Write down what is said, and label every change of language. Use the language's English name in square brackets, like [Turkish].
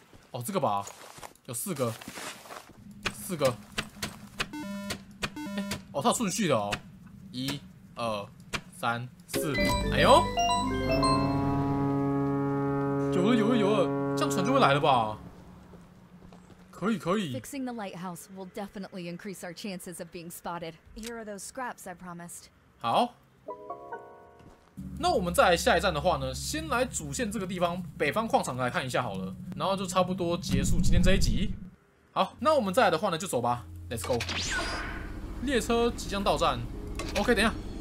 [Chinese] 哦，这个吧，有四个，四个。哎，哦，它有顺序的哦，一、二、三。四，哎呦，有了有了有了，这样船就会来了吧？可以可以。 [English] Fixing the lighthouse will definitely increase our chances of being spotted. Here are those scraps I promised. [Chinese] 好，那我们再来下一站的话呢，先来主线这个地方北方矿场来看一下好了，然后就差不多结束今天这一集。好，那我们再来的话呢，就走吧 ， [English] Let's go。 [Chinese] 列车即将到站 ，OK， 等一下。